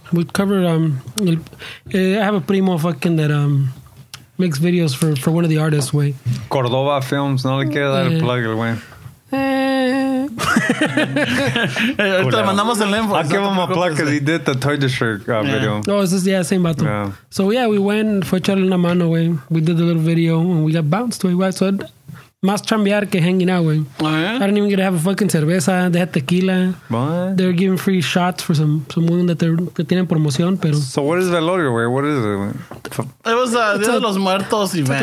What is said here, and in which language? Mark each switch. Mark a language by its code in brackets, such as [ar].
[en] We covered, I have a primo fucking that makes videos for one of the artists, way. [es] Cordova Films, no le quiere dar el plug, güey. Ahorita le mandamos el info. [en] I gave him a plug because he did the Toy District video. No, this is the same battle. So yeah, we went, [es] fue echarle una mano, [en] güey. We did a little video and we got bounced, güey. So [es] más chambear que [en] hanging out, güey. I didn't even get to have a fucking cerveza. They had tequila. What? They were giving free shots for some women that they're, [es] que tienen promoción, pero... [en] So what is Velorio, güey? What is it, güey? It was a Día de los Muertos event.